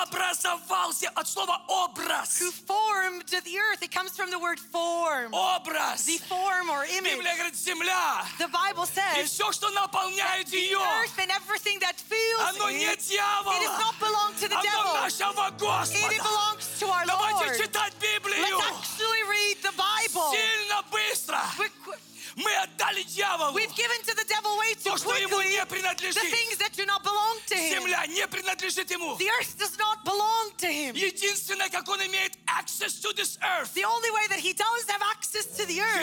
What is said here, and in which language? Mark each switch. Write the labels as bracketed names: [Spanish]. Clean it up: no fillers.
[Russian] Образовался от слова образ. [English] Who formed the earth. It comes from the word form. [Russian] Образ. [English] The form or image. [Russian] Библия говорит земля. [English] The Bible says. [Russian] И все, что наполняет ее. [English] The earth and everything that fills [Russian] оно [English] it. [Russian] Оно не дьявола. [English] It does not belong to the [Russian] оно [English] devil. [Russian] Оно нашего Господа. [English] It belongs to our [Russian] давайте [English] Lord. [Russian] Давайте читать Библию. [English] Let's actually read the Bible. [Russian] Сильно быстро. Мы отдали дьяволу. [English] We've given to the devil way too quickly. [Russian] То, что ему не принадлежит. [English] The things that do not belong to him. [Russian] Земля не принадлежит ему. [English] The earth does not belong to him. [Russian] Единственное, как он имеет [English] access to this earth. The only way that he does have access to the earth.